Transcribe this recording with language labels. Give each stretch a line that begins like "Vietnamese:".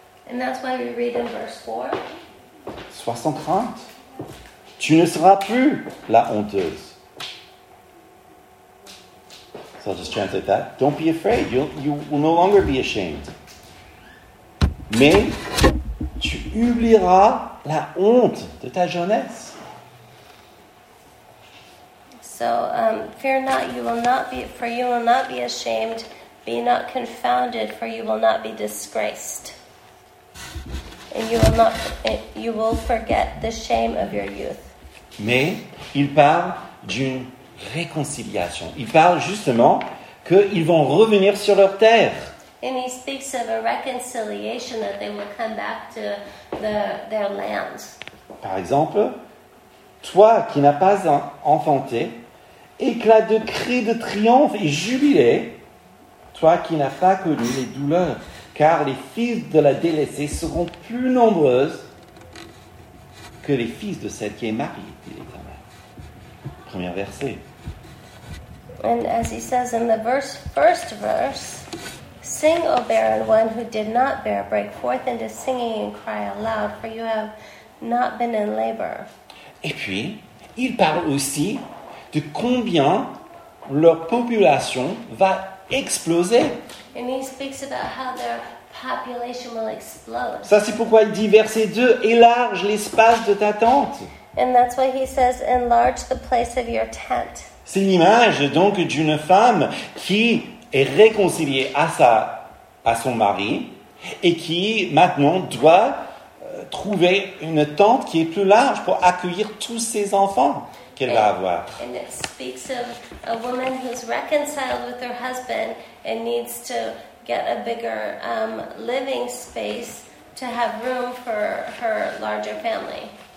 English: and that's why we read in verse 4.
French: 61, tu ne seras plus la honteuse.
English: So I'll just translate that. Don't be afraid. You will no longer be ashamed.
French: Mais tu oublieras la honte de ta jeunesse.
English: So fear not. You will not be, for you will not be ashamed. Be not confounded, for you will not be disgraced. And you will forget the shame of your youth.
French: Mais il parle d'une réconciliation. Il parle justement qu'ils vont revenir sur leur terre.
English: And he speaks of a reconciliation that they will come back to their land.
French: Par exemple, toi qui n'as pas enfanté, éclat de cris de triomphe et jubilé, toi qui n'as pas connu les douleurs, car les fils de la délaissée seront plus nombreuses que les fils de celle qui est mariée, dit l'Éternel. Premier verset.
English: And as he says in the first verse, sing, O barren one who did not bear, break forth into singing and cry aloud, for you have not been in labor.
French: Et puis, il parle aussi de combien leur population va exploser.
English: And he speaks about how their population will explode.
French: Ça, c'est pourquoi il dit verset 2, élarge l'espace de ta tente.
English: And that's why he says, enlarge the place of your tent.
French: C'est l'image donc d'une femme qui est réconciliée à son mari et qui maintenant doit trouver une tente qui est plus large pour accueillir tous ses enfants qu'elle va avoir.
English: And it speaks of a woman who's reconciled with her husband and needs to get a bigger living space to have room for her larger family.